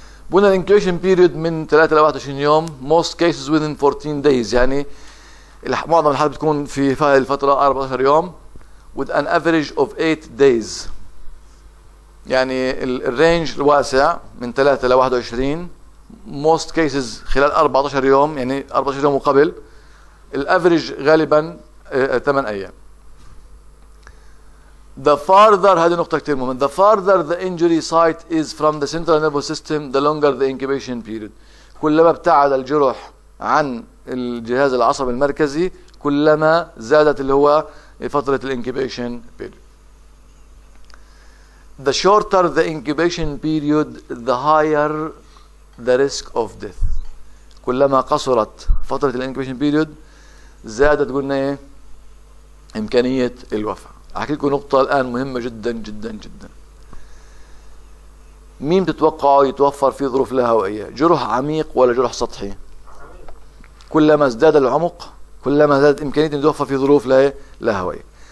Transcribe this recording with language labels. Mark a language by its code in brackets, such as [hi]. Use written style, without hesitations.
[ar] بنا الانكيوبيشن بيريود من 3 ل 21 يوم، [en] most cases within 14 days, [ar] يعني معظم الحالات بتكون في هذه الفتره 14 يوم، [en] with an average of 8 days. [ar] يعني الرينج الواسع من 3 ل 21، [en] most cases [ar] خلال 14 يوم، يعني 14 يوم وقبل، الافرج غالبا 8 ايام. [en] The farther، [ar] هذه نقطة كتير مهمة، [en] the farther the injury site is from the central nervous system the longer the incubation period. [ar] كلما ابتعد الجرح عن الجهاز العصبي المركزي كلما زادت اللي هو فترة الانكيبيشن period. [en] The shorter the incubation period the higher the risk of death. [ar] كلما قصرت فترة الانكيبيشن period زادت قلنا ايه امكانية الوفاة. احكي لكم نقطة الآن مهمة جدا جدا جدا. مين بتتوقعوا يتوفر في ظروف لا هوائية؟ جرح عميق ولا جرح سطحي؟ كلما ازداد العمق كلما زادت إمكانية أن يتوفر في ظروف لا هوائية.